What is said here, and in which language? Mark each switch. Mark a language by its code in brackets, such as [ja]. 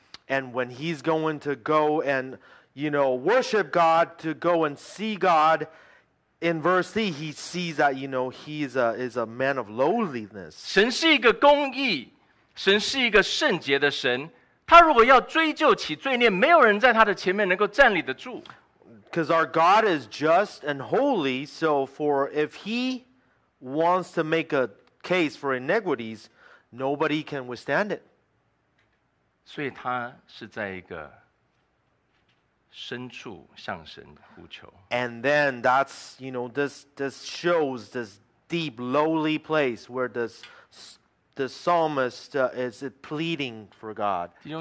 [en] And when he's going to go and, you know, worship God, to go and see God, in verse 3, he sees that, you know, he is a man of lowliness. [zh] 神是一个公义，神是一个圣洁的神。他如果要追究起罪孽，没有人在他的前面能够站立得住。 [en] Because our God is just and holy, so for if he wants to make a case for iniquities, nobody can withstand it. [zh] 所以他是在一个 深处向神呼求。 [en] And then that's, you know, this shows this deep lowly place where the psalmist is pleading for God.